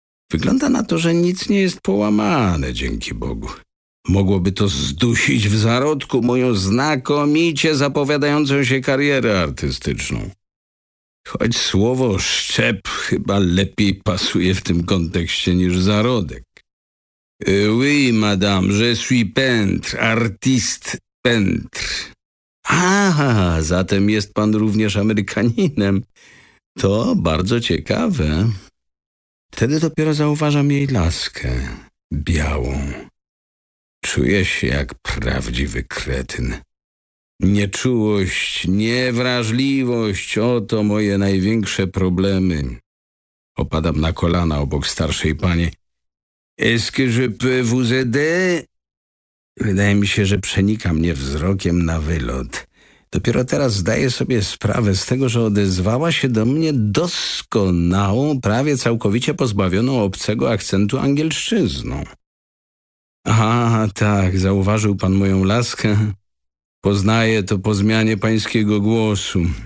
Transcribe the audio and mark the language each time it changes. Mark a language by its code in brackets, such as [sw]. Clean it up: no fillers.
[pl] Wygląda na to, że nic nie jest połamane, dzięki Bogu. Mogłoby to zdusić w zarodku moją znakomicie zapowiadającą się karierę artystyczną. Choć słowo szczep chyba lepiej pasuje w tym kontekście niż zarodek. [fr] Oui, madame, je suis peintre, artiste peintre. [pl] Aha, zatem jest pan również Amerykaninem. To bardzo ciekawe. Wtedy dopiero zauważam jej laskę białą. Czuję się jak prawdziwy kretyn. Nieczułość, niewrażliwość, oto moje największe problemy. Opadam na kolana obok starszej pani. [fr] Est-ce que je peux vous aider? [pl] Wydaje mi się, że przenika mnie wzrokiem na wylot. Dopiero teraz zdaję sobie sprawę z tego, że odezwała się do mnie doskonałą, prawie całkowicie pozbawioną obcego akcentu angielszczyzną. A, tak, zauważył pan moją laskę. Poznaję to po zmianie pańskiego głosu.